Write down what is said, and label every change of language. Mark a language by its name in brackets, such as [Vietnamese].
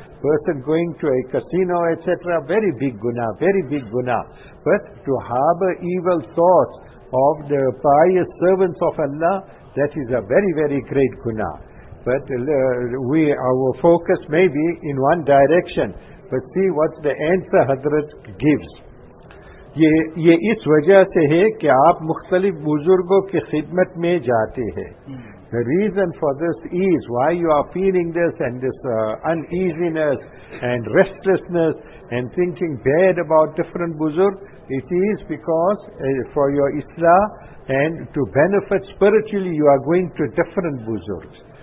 [English] Person going to a casino, etc., very big guna, very big guna. But to harbor evil thoughts of the pious servants of Allah, that is a very, very great guna. But our focus may be in one direction, but see what the answer Hazrat gives. [Urdu] یہ اس وجہ سے ہے کہ آپ مختلف بزرگوں کی خدمت میں جاتے ہیں. [English] The reason for this is why you are feeling this and this uneasiness and restlessness and thinking bad about different buzurg. It is because for your islah and to benefit spiritually, you are going to different buzurgs.